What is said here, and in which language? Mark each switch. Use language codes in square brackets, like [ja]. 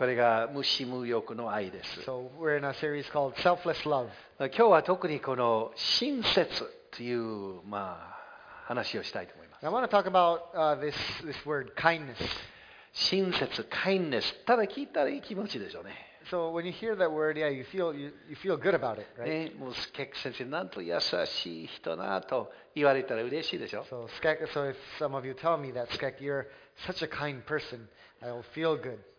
[ja] これが無私無欲の愛です。 [en] So we're in a series called Selfless Love. [ja] 今日は特にこの親切という、話をしたいと思います。 [en] I want to talk about this word kindness. [ja] 親切、kindness。ただ聞いたらいい気持ちでしょうね。 [en] So when you hear that word, yeah, you feel good about it, right? [ja] ね、もうスケック先生なんと優しい人なと言われたら嬉しいでしょ。 [en] So Skek, so if some of you tell me that Skek, you're such a kind person, I'll feel good.